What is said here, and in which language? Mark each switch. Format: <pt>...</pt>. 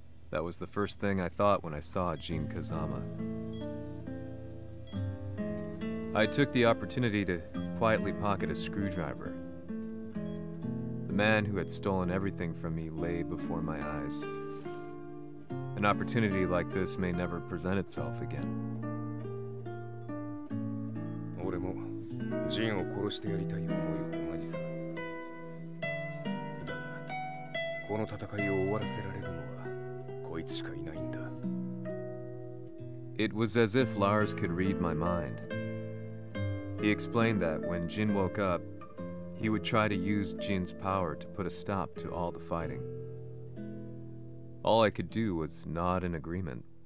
<en>That was the first thing I thought when I saw Jin Kazama. I took the opportunity to quietly pocket a screwdriver. The man who had stolen everything from me lay before my eyes. An opportunity like this may never present itself again.</en> <ja>この戦いを終わらせられるのはこいつしかいないんだ。</ja> <en>It was as if Lars could read my mind. He explained that when Jin woke up, he would try to use Jin's power to put a stop to all the fighting. All I could do was nod in agreement.</en>